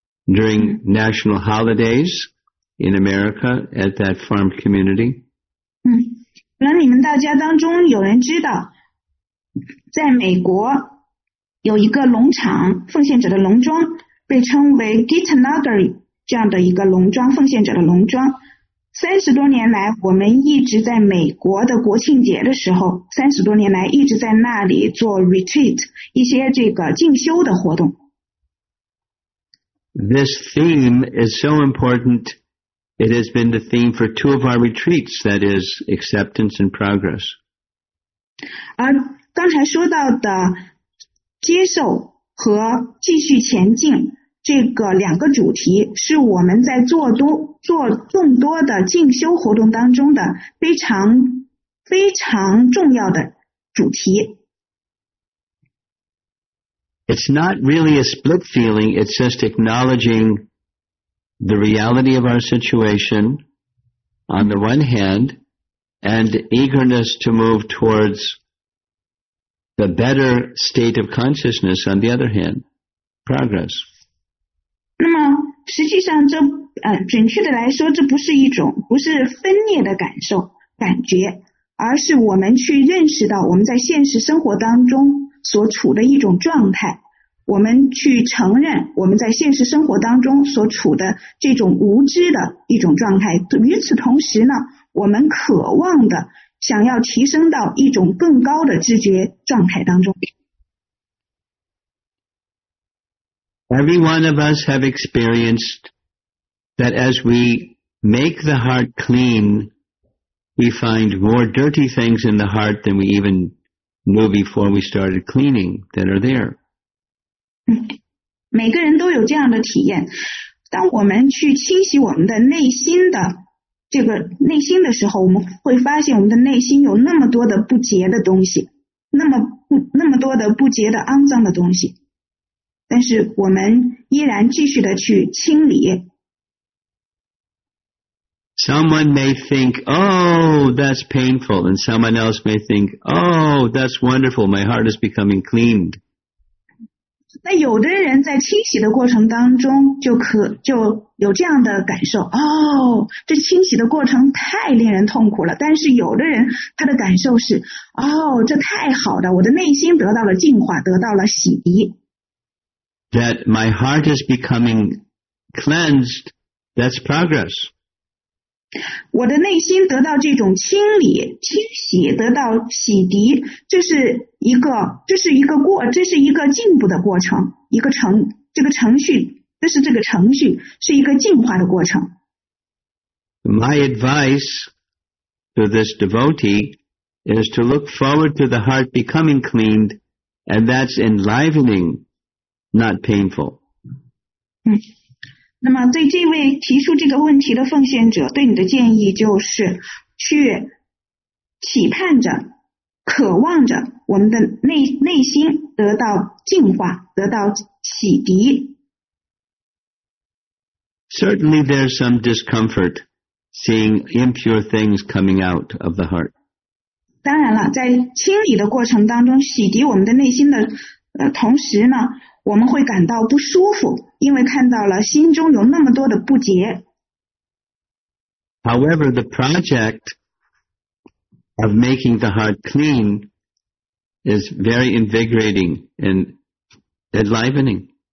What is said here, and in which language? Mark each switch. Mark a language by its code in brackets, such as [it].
[en] During national holidays in America at that farm community. [zh] 本来你们大家当中有人知道在美国有一个农场奉献者的农庄被称为 Gita Nagari 这样的一个农庄奉献者的农庄。三十多年来我们一直在美国的国庆节的时候三十多年来一直在那里做 retreat, 一些这个进修的活动。 [en] This theme is so important, it has been the theme for two of our retreats, that is, acceptance and progress. [zh] 刚才说到的接受和继续前进这个两个主题是我们在做众多的进修活动当中的非常非常重要的主题。 [en] It's not really a split feeling, it's just acknowledging the reality of our situation on the one hand and eagerness to move towards the better state of consciousness on the other hand, progress. [zh] 那么实际上这准确的来说这不是一种不是分裂的感受感觉而是我们去认识到我们在现实生活当中所处的一种状态。我们去承认我们在现实生活当中所处的这种无知的一种状态。与此同时呢，我们渴望的想要提升到一种更高的知觉状态当中。 [en] Every one of us have experienced that as we make the heart clean, we find more dirty things in the heart than we even knew before we started cleaning that are there. [zh] 每个人都有这样的体验当我们去清洗我们的内心的这个内心的时候我们会发现我们的内心有那么多的不洁的东西那么多的不洁的肮脏的东西但是我们依然继续的去清理 [en] Someone may think, oh, that's painful. And someone else may think, oh, that's wonderful. My heart is becoming cleaned. [zh] 那有的人在清洗的过程当中就有这样的感受，哦，这清洗的过程太令人痛苦了。但是有的人他的感受是，哦，这太好了，我的内心得到了净化，得到了洗涤。 [en] That my heart is becoming cleansed, that's progress. [zh] 我的内心得到这种清理、清洗、得到洗涤，这是一个进步的过程，一个程，这个程序，这是这个程序，是一个进化的过程。 [en] My advice to this devotee is to look forward to the heart becoming cleaned, and that's enlivening, not painful. [zh] 那么对这位提出这个问题的奉献者，对你的建议就是去期盼着、渴望着我们的 内心得到净化、得到洗涤。 [en] Certainly there's some discomfort seeing impure things coming out of the heart. [zh] 当然了，在清理的过程当中，洗涤我们的内心的同时呢，我们会感到不舒服，因为看到了心中有那么多的不洁。 [en] However, the project of making the heart clean is very invigorating and enlivening.